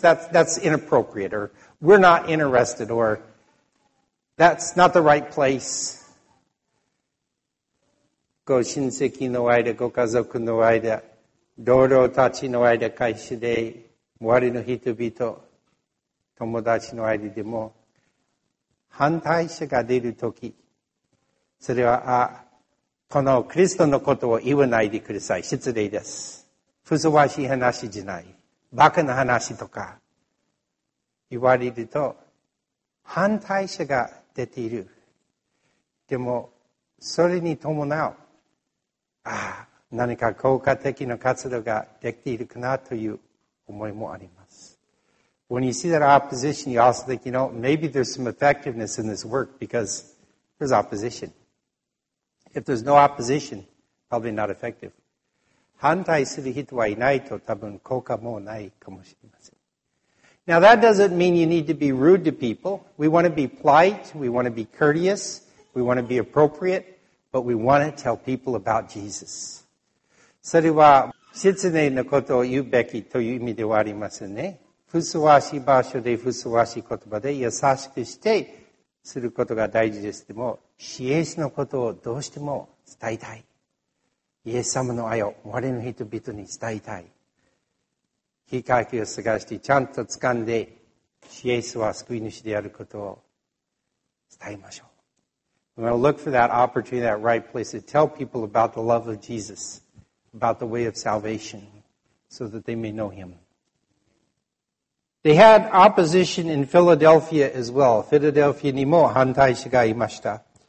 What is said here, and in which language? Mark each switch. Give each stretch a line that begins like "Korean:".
English: That's inappropriate, or we're not interested, or that's not the right place.
Japanese: ご親戚の間、ご家族の間、同僚たちの間、会社で、周りの人々、友達の間でも、反対者が出るとき、それは、あ、このクリストのことを言わないでください。失礼です。ふさわしい話じゃない。バカな話とか、言われると、反対者が出ている。でも、それに伴う、ああ、何か効果的な活動ができているかなという、思いもあります。
English: When you see that opposition, you also think, you know, maybe there's some effectiveness in this work because there's opposition. If there's no opposition, probably not effective.
Japanese: 反対する人はいないと多分効果もないかもしれません。
English: Now that doesn't mean you need to be rude to people. We want to be polite. We want to be courteous. We want to be appropriate. But we want to tell people about Jesus.
Japanese: それは失礼なことを言うべきという意味ではありませんね。ふさわしい場所でふさわしい言葉で優しくしてすることが大事です。でも、イエスのことをどうしても伝えたい。イエス様の愛を我の人々に伝えたい。機会を探してちゃんと掴んで、イエスは救い主であることを伝えましょう。
English: We want to look for that opportunity, that right place to tell people about the love of Jesus. About the way of salvation, so that they may know him. They had opposition in Philadelphia as well. Philadelphia
Japanese: にも反対者がいました。